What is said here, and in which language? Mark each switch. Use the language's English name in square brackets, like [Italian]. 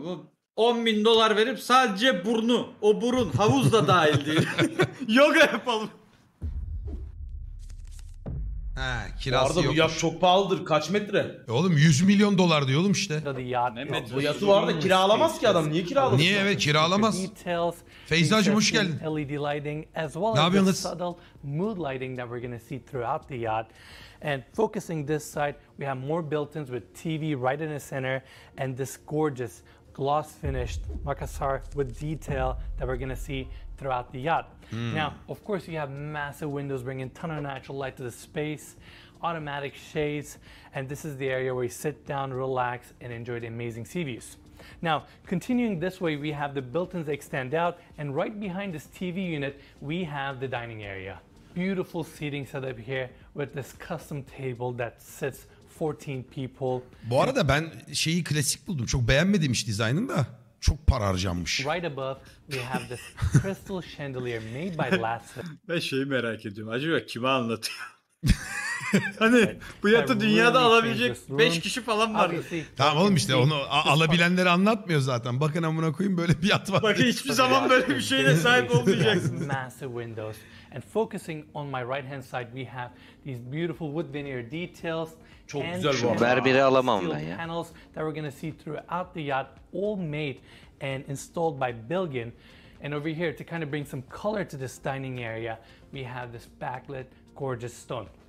[Turkish] Bu 10 bin dolar verip sadece burnu, o burun havuz da dahil değil. Yoga yapalım. Ha, kirası yok. Bu yat çok pahalıdır. Kaç metre? Oğlum 100 milyon dolar diyor oğlum işte. Bu yatı var da kiralamaz ki adam. Niye kiralamaz? Niye evet kiralamaz? Feyza'cığım hoş geldin. [English] LED lighting as well as the subtle mood lighting that we're going to see throughout the yacht. And focusing this side, we have more built-ins with TV right in the center and this gorgeous gloss finished Makassar with detail that we're going to see throughout the yacht. Now, of course, you have massive windows bringing a ton of natural light to the space, automatic shades, and this is the area where you sit down, relax, and enjoy the amazing sea views. Now, continuing this way, we have the built-ins that extend out, and right behind this TV unit, we have the dining area. Beautiful seating setup here with this custom table that sits 14 people. [Turkish] Bu arada ben şeyi klasik buldum. Çok beğenmediğim iş dizaynını da. Çok para harcanmış. [English] Right above we have this crystal chandelier made by Lasser. [Turkish] Ben şeyi merak ediyorum. Acaba kime anlatıyor? Hani bu yatı dünyada alabilecek 5 kişi falan vardı. Tamam oğlum işte onu alabilenleri anlatmıyor zaten. Bakın amına koyayım böyle bir yat var. Bakın hiçbir zaman böyle bir şeyle sahip olmayacaksınız. [English] Massive windows. And focusing on my right hand side we have these beautiful wood veneer details. [Turkish] Çok güzel bu. Berberi alamam ben ya. [English] Steel panels that we're going to see throughout the yacht, all made and installed by Belgian. And over here, to kind of bring some color to this dining area, we have this backlit gorgeous stone.